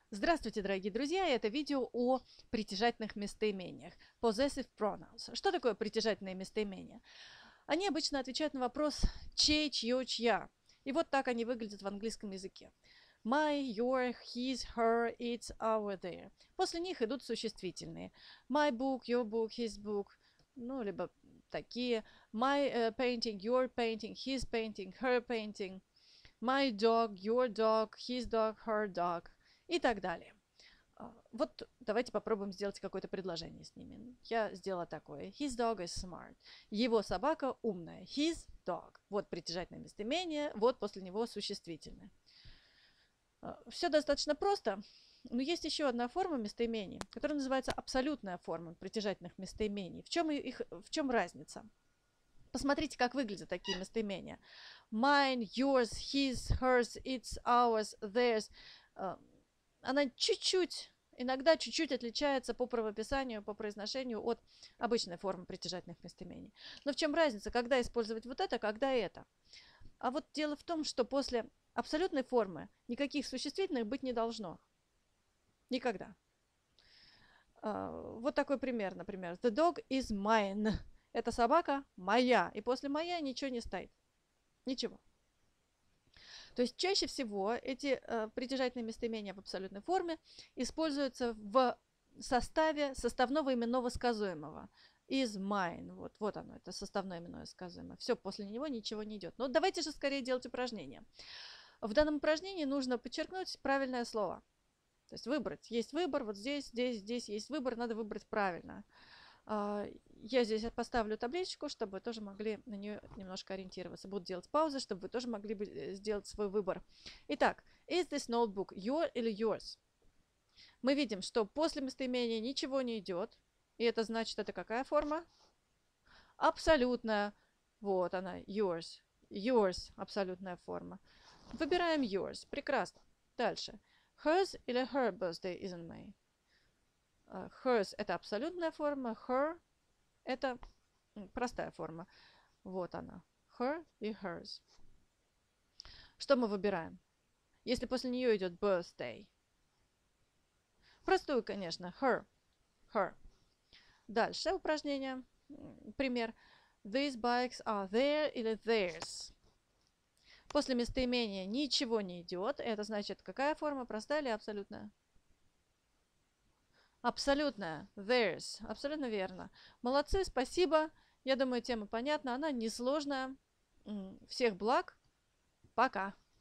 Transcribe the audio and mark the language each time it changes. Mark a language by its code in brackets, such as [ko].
[ru] Здравствуйте, дорогие друзья! Это видео о притяжательных местоимениях. [en] Possessive pronouns. [ru] Что такое притяжательные местоимения? Они обычно отвечают на вопрос «чей», «чьё», «чья». И вот так они выглядят в английском языке. [en] My, your, his, her, its, our, their. [ru] После них идут существительные. [en] My book, your book, his book. [ru] Ну, либо такие. [en] My painting, your painting, his painting, her painting. My dog, your dog, his dog, her dog. [ru] И так далее. Вот давайте попробуем сделать какое-то предложение с ними. Я сделала такое. [en] His dog is smart. [ru] Его собака умная. [en] His dog. [ru] Вот притяжательное местоимение. Вот после него существительное. Все достаточно просто. Но есть еще одна форма местоимений, которая называется абсолютная форма притяжательных местоимений. В чем разница? Посмотрите, как выглядят такие местоимения. [en] Mine, yours, his, hers, its, ours, theirs. [ru] Она иногда чуть-чуть отличается по правописанию, по произношению от обычной формы притяжательных местоимений. Но в чем разница, когда использовать вот это, когда это? А вот дело в том, что после абсолютной формы никаких существительных быть не должно. Никогда. Вот такой пример, например. [en] The dog is mine. [ru] Эта собака моя. И после моя ничего не стоит. Ничего. То есть чаще всего эти притяжательные местоимения в абсолютной форме используются в составе составного именного сказуемого. [en] Is mine. [ru] Вот оно, это составное именное сказуемое. Все, после него ничего не идет. Но давайте же скорее делать упражнение. В данном упражнении нужно подчеркнуть правильное слово. То есть выбрать. Есть выбор, вот здесь, здесь, здесь есть выбор, надо выбрать правильно. Я здесь поставлю табличку, чтобы вы тоже могли на нее немножко ориентироваться. Буду делать паузы, чтобы вы тоже могли бы сделать свой выбор. Итак, [en] is this notebook your [ru] или [en] yours? [ru] Мы видим, что после местоимения ничего не идет. И это значит, это какая форма? Абсолютная. Вот она, yours. Yours, абсолютная форма. Выбираем yours. Прекрасно. Дальше. [en] Hers [ru] или [en] her birthday is in May? [ru] Hers – это абсолютная форма, her – это простая форма. Вот она, her и hers. Что мы выбираем, если после нее идет birthday? Простую, конечно, her. [en] Her. [ru] Дальше упражнение, пример. [en] These bikes are there [ru] или [en] theirs? [ru] После местоимения ничего не идет. Это значит, какая форма, простая или абсолютная? Абсолютно. Theirs. Абсолютно верно. Молодцы, спасибо. Я думаю, тема понятна. Она несложная. Всех благ. Пока.